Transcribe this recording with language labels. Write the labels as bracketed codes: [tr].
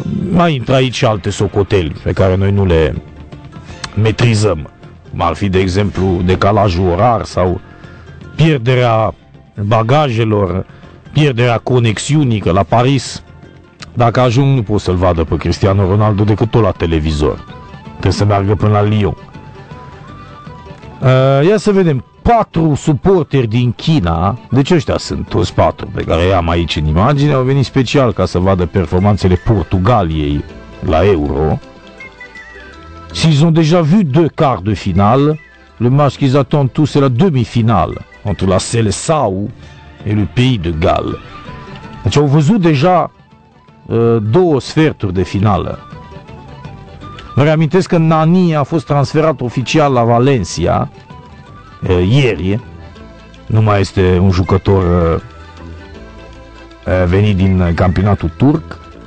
[ro] mai intră aici și alte socoteli pe care noi nu le metrizăm, cum ar fi de exemplu decalajul orar sau pierderea bagajelor, pierderea conexiunii, că la Paris dacă ajung nu pot să-l vadă pe Cristiano Ronaldo decât tot la televizor, trebuie să meargă până la Lyon. Ia să vedem, 4 suporteri din China, deci ăștia sunt toți 4 pe care i-am aici în imagine, au venit special ca să vadă performanțele Portugaliei la Euro. [fr] S'ils ont déjà vu deux quarts de finale, le match qu'ils attendent tous est la demi-finale entre la Seleção et le pays de Galles. [ro] Deci au văzut deja 2 sferturi de finală. Vă reamintesc că Nani a fost transferat oficial la Valencia ieri. Nu mai este un jucător venit din campionatul turc.